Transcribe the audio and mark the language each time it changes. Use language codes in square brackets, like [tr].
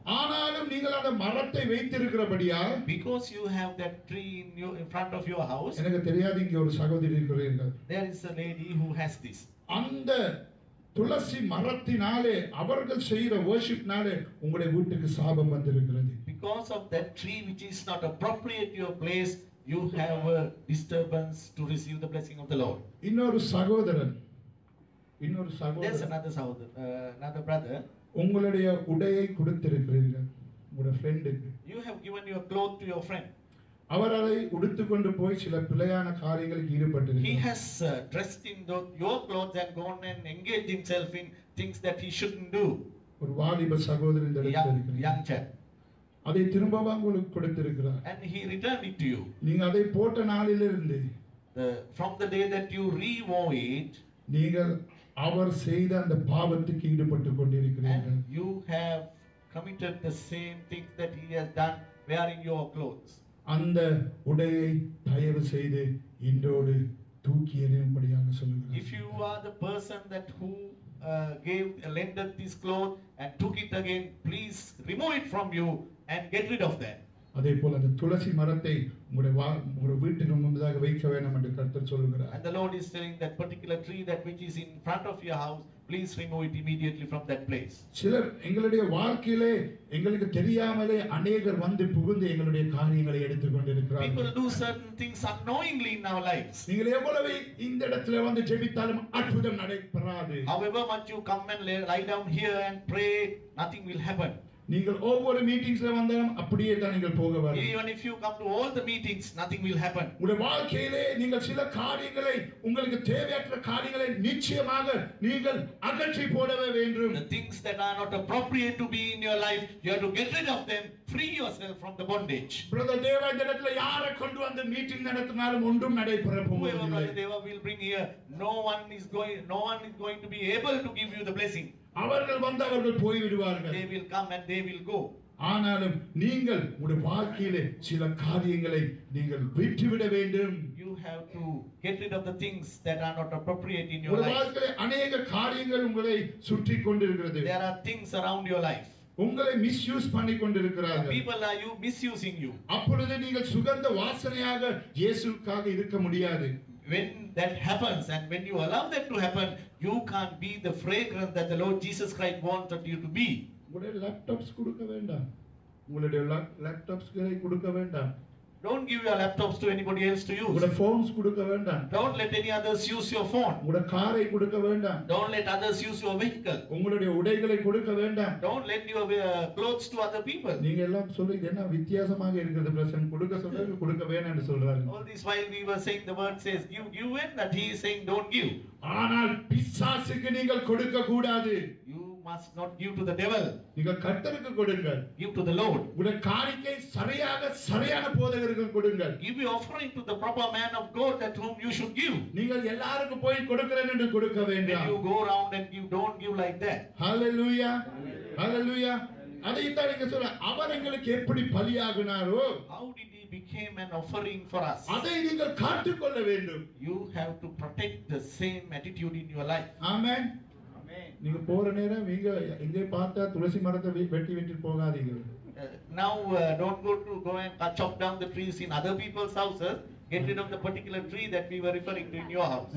[ta] ஆனாலும் நீங்கள் அந்த மரத்தை வைத்திருக்கிறபடியா? [en] Because you have that tree in your in front of your house. [ta] எனக்கு தெரியாது இங்கே ஒரு சகோதரி இருக்கிறார். [en] There is a lady who has this. [ta] அந்த துளசி மரத்தினாலே அவர்கள் செய்கிற வர்ஷிப்னாலே உங்களுடைய வீட்டுக்கு சாபம் வந்திருக்கிறது. [en] Because of that tree which is not appropriate to your place, you have a disturbance to receive the blessing of the Lord. [ta] இன்னொரு சகோதரன் [en] there's another sahodar, another brother. [ta] உங்களுடைய உடையை கொடுத்திருக்கிறீர்கள் உங்களுடைய ஃப்ரெண்டுக்கு. [en] You have given your cloth to your friend. [ta] அவர் அதை உடுத்துக்கொண்டு போய் சில பிள்ளையான காரியங்களுக்கு ஈடுபட்டு [en] he has dressed in your clothes and gone and engaged himself in things that he shouldn't do. [ta] ஒரு வாலிப சகோதரன் இந்த இடத்துல இருக்கிறார். [en] Young child. [ta] அதை திரும்பவும் உங்களுக்கு கொடுத்திருக்கிறார். [en] And he returned it to you. [ta] நீங்க அதை போட்ட நாளிலிருந்து [en] from the day that you re-wore it [ta] நீங்கள் அவர் செய்த அந்த பாவத்துக்கு ஈடுபட்டு கொண்டிருக்கிறீர்கள். [en] You have committed the same thing that he has done wearing your clothes. [ta] அந்த உடையை தயவு செய்து இன்றோடு தூக்கி எறியும்படியாக சொல்லுகிறேன். [en] If you are the person that who lent this cloth and took it again, please remove it from you and get rid of that. [ta] அதே போல அந்த துளசி மரத்தை உங்களுடைய வீட்டுக்கு முன்பதாக வைக்க வேண்டும் என்று கர்த்தர் சொல்லுகிறார். [en] And the Lord is telling that particular tree that which is in front of your house, please remove it immediately from that place. [ta] சிலர் எங்களுடைய வாழ்க்கையிலே எங்களுக்கு தெரியாமலே அநேகர் வந்து புகுந்து எங்களுடைய காரியங்களை எடுத்துக் கொண்டிருக்கிறார். [en] People do certain things unknowingly in our lives. [ta] நீங்கள் எவ்வளவு இந்த இடத்துல வந்து ஜெபித்தாலும் அற்புதம் நடைபெறாது. [en] However much you come and lie down here and pray, nothing will happen. [ta] நீங்கள் ஒவ்வொரு மீட்டிங்ஸ்ல வந்தாலும் அப்படியே தான் நீங்கள் போக வரீங்க. [en] Even if you come to all the meetings, nothing will happen. [ta] உங்கள் வாழ்க்கையிலே நீங்கள் சில காரியங்களை உங்களுக்கு தேவையற்ற காரியங்களை நிச்சயமாக நீங்கள் அகற்றி போடவே வேண்டும். [en] The things that are not appropriate to be in your life, you have to get rid of them. Free yourself from the bondage. [ta] Brother Deva இடத்துல யாரை கொண்டு வந்து மீட்டிங் நடத்தினாலும் ஒன்றும் நடைபெற போவதில்லை. [en] Brother Deva will bring here. No one is going to be able to give you the blessing. [ta] அவர்கள் வந்து அவர்கள் போய்விடுவார்கள். [en] They will come and they will go. [ta] ஆனாலும் நீங்கள் உங்கள் வாழ்க்கையிலே சில காரியங்களை நீங்கள் விட்டுவிட வேண்டும். [en] You have to get rid of the things that are not appropriate in your life. [ta] உங்கள் வாழ்க்கையிலே அநேக காரியங்கள் உங்களை சுற்றி கொண்டிருக்கிறது. [en] There are things around your life. [ta] உங்களை மிஸ்யூஸ் பண்ணி கொண்டிருக்கிறார்கள். [en] People are you misusing you. [ta] அப்பொழுது நீங்கள் சுகந்த வாசனையாக இயேசுக்காக இருக்க முடியாது. [en] When that happens and when you allow that to happen, you can't be the fragrance that the Lord Jesus Christ wanted you to be. [ta] உங்களுடைய laptops கொடுக்க வேண்டாம். உங்களுடைய லேப்டாப்ஸ் களை கொடுக்க வேண்டாம். [en] Don't give your laptops to anybody else to use. [ta] உங்க phones கொடுக்க வேண்டாம். [en] Don't let any others use your phone. [ta] உங்க காரை கொடுக்க வேண்டாம். [en] Don't let others use your vehicle. [ta] உங்களுடைய உடைகளை கொடுக்க வேண்டாம். [en] Don't let your clothes to other people. [ta] நீங்க எல்லாம் சொல்றீங்க என்ன வித்தியாசமாக இருக்குது பிரசன் கொடுக்க சொல்றது கொடுக்க வேணாம்னு சொல்றாரு. [en] All this while we were saying the word says give and that he is saying don't give. [ta] ஆனால் பிசாசுக்கு நீங்கள் கொடுக்க கூடாது. [en] Must not give to the devil. [ta] நீங்க கர்த்தருக்கு கொடுங்கள். [en] Give to the Lord. [ta] உங்க காரியத்தை சரியாக சரியான போதகருக்கு கொடுங்கள். [en] Give your offering to the proper man of God that whom you should give. [ta] நீங்கள் எல்லாருக்கும் போய் கொடுக்கிறேன் என்று கொடுக்க வேண்டாம். [en] You go around and you don't give like that. Hallelujah. Hallelujah. [ta] அதை இந்த நீங்க சொல்ல அவர்களுக்கு எப்படி பலியாகினாரோ. [en] How did he became an offering for us? [ta] அதை நீங்கள் காத்துக்கொள்ள வேண்டும். [en] You have to protect the same attitude in your life. Amen. Amen. [ta] நீங்க போற நேரம் நீங்க எங்கே பார்த்தா துளசி மரத்தை வெட்டி வெட்டி போகாதீங்க. [en] Now don't go to go and chop down the trees in other people's houses. Get rid of the particular tree that we were referring to in your house.